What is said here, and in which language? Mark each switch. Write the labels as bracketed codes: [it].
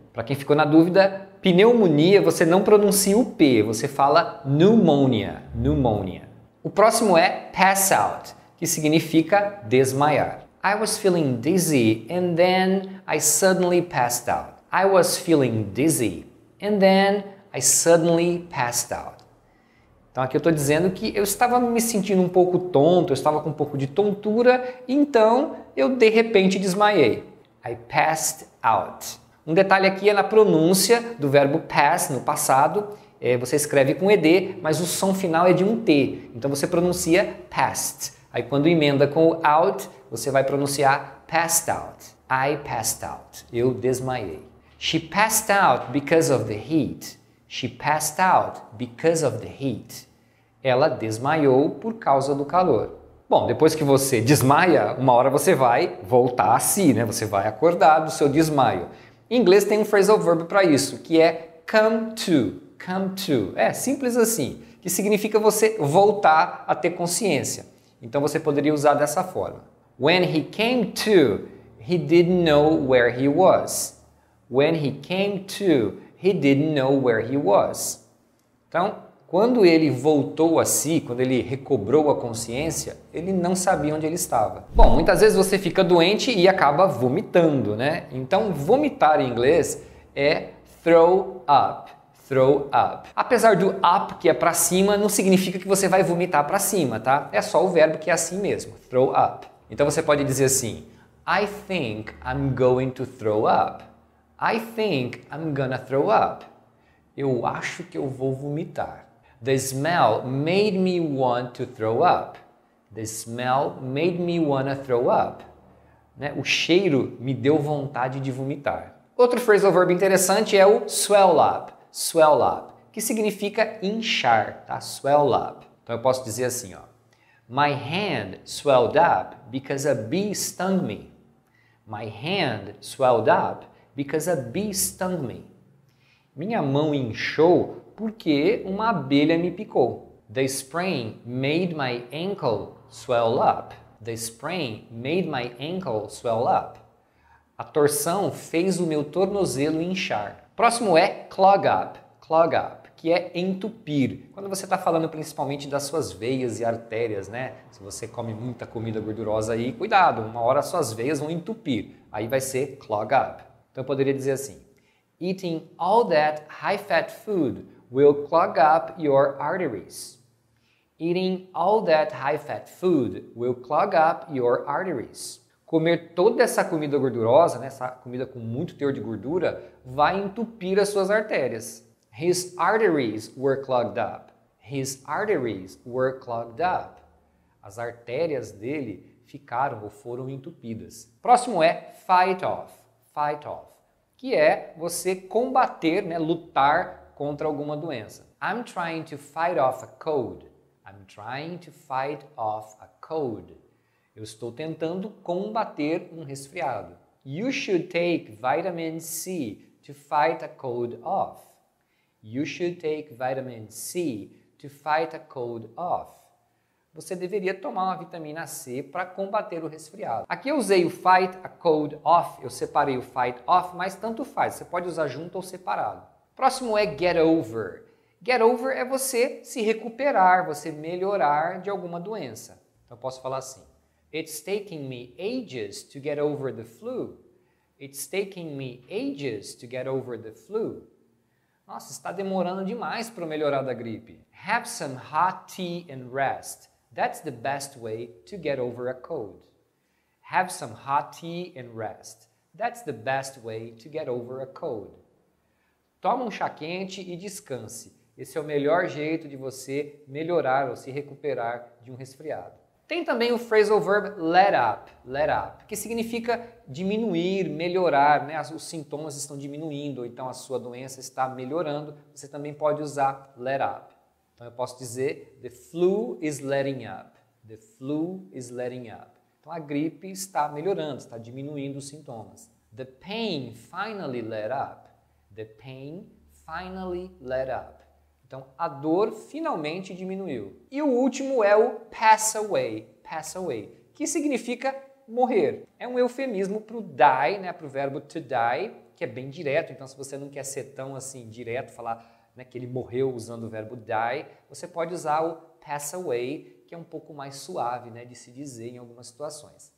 [pt] Para quem ficou na dúvida, pneumonia você não pronuncia o P, você fala pneumonia, pneumonia. O próximo é pass out, que significa desmaiar. [en] I was feeling dizzy and then I suddenly passed out. I was feeling dizzy and then I suddenly passed out. [pt] Então aqui eu estou dizendo que eu estava me sentindo um pouco tonto, eu estava com um pouco de tontura, então eu de repente desmaiei. [en] I passed out. [pt] Um detalhe aqui é na pronúncia do verbo pass no passado, você escreve com ED, mas o som final é de um T, então você pronuncia passed. Aí quando emenda com o out, você vai pronunciar passed out. [en] I passed out. [pt] Eu desmaiei. [en] She passed out because of the heat. She passed out because of the heat. [pt] Ela desmaiou por causa do calor. Bom, depois que você desmaia, uma hora você vai voltar a si, né? Você vai acordar do seu desmaio. Em inglês tem um phrasal verb para isso, que é come to. Come to. É simples assim, que significa você voltar a ter consciência. Então você poderia usar dessa forma. [en] When he came to, he didn't know where he was. When he came to, he didn't know where he was. [pt] Então, quando ele voltou a si, quando ele recobrou a consciência, ele não sabia onde ele estava. Bom, muitas vezes você fica doente e acaba vomitando, né? Então, vomitar em inglês é throw up. Throw up. Apesar do up, que é pra cima, não significa que você vai vomitar pra cima, tá? É só o verbo que é assim mesmo, throw up. Então, você pode dizer assim, [en] I think I'm going to throw up. I think I'm gonna throw up. [pt] Eu acho que eu vou vomitar. [en] The smell made me want to throw up. The smell made me wanna throw up. Né? [pt] O cheiro me deu vontade de vomitar. Outro phrasal verb interessante é o swell up. Swell up. Que significa inchar, tá? Swell up. Então eu posso dizer assim, ó. [en] My hand swelled up because a bee stung me. My hand swelled up because a bee stung me. [pt] Minha mão inchou porque uma abelha me picou. [en] The sprain made my ankle swell up. The sprain made my ankle swell up. [pt] A torção fez o meu tornozelo inchar. Próximo é clog up. Clog up, que é entupir. Quando você está falando principalmente das suas veias e artérias, né? Se você come muita comida gordurosa aí, cuidado, uma hora suas veias vão entupir. [en] Aí vai ser clog up. [pt] Então eu poderia dizer assim, [en] eating all that high fat food will clog up your arteries. Eating all that high fat food will clog up your arteries. [pt] Comer toda essa comida gordurosa, né, essa comida com muito teor de gordura, vai entupir as suas artérias. [en] His arteries were clogged up. His arteries were clogged up. [pt] As artérias dele ficaram ou foram entupidas. Próximo é fight off. Fight off, que é você combater, né, lutar contra alguma doença. [en] I'm trying to fight off a cold. I'm trying to fight off a cold. [pt] Eu estou tentando combater um resfriado. [en] You should take vitamin C to fight a cold off. You should take vitamin C to fight a cold off. [pt] Você deveria tomar uma vitamina C para combater o resfriado. Aqui eu usei o fight a cold off, eu separei o fight off, mas tanto faz, você pode usar junto ou separado. Próximo é get over. Get over é você se recuperar, você melhorar de alguma doença. Então eu posso falar assim: [en] It's taking me ages to get over the flu. It's taking me ages to get over the flu. [pt] Nossa, está demorando demais para eu melhorar da gripe. [en] Have some hot tea and rest. That's the best way to get over a cold. Have some hot tea and rest. That's the best way to get over a cold. [pt] Toma um chá quente e descanse. Esse é o melhor jeito de você melhorar ou se recuperar de um resfriado. Tem também o phrasal verb let up, que significa diminuir, melhorar, né? Os sintomas estão diminuindo, ou então a sua doença está melhorando. Você também pode usar let up. Então eu posso dizer, [en] the flu is letting up, the flu is letting up. [pt] Então a gripe está melhorando, está diminuindo os sintomas. [en] The pain finally let up, the pain finally let up. [pt] Então a dor finalmente diminuiu. E o último é o pass away, que significa morrer. É um eufemismo para o die, né, para o verbo to die, que é bem direto. Então se você não quer ser tão assim direto, falar... né, que ele morreu usando o verbo die, você pode usar o pass away, que é um pouco mais suave, né, de se dizer em algumas situações.